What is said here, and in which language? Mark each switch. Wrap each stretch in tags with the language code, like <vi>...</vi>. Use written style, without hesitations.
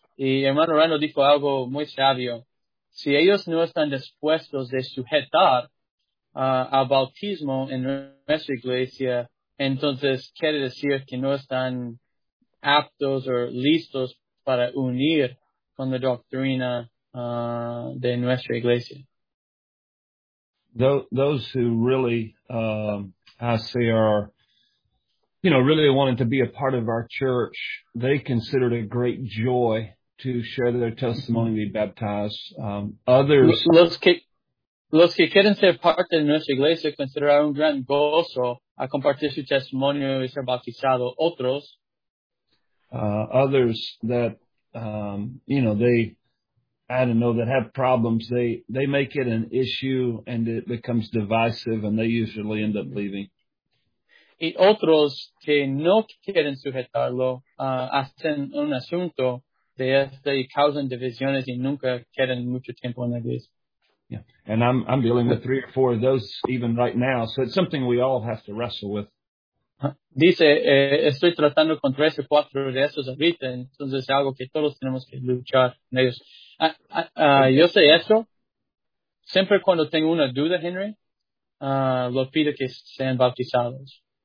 <es>Y hermano Rando dijo algo muy sabio. Si ellos no están dispuestos de sujetar al bautismo en nuestra iglesia, entonces quiere decir que no están aptos o listos para unir con la doctrina de nuestra iglesia.</es> <en>Those who really, I say, are, you know, really wanting to be a part of our church, they consider it a great joy to share their testimony and be baptized. Others.</en> <es>Los que quieren ser parte de nuestra iglesia considerar un gran gozo a compartir su testimonio y ser bautizado. Otros.</es> <en>Others that, you know, they. I don't know, that have problems, they make it an issue and it becomes divisive and they usually end up leaving.</en> <es>Y otros que no quieren sujetarlo hacen un asunto de este y causan divisiones y nunca quedan mucho tiempo en la iglesia.</es> <en>Yeah, and I'm dealing with three or four of those even right now, so it's something we all have to wrestle with.</en> <es>Dice, estoy tratando con tres o cuatro de esos ahorita, entonces es algo que todos tenemos que luchar con ellos. Yo sé eso. Siempre cuando tengo una duda, Henry, lo pido que sean bautizados.</es>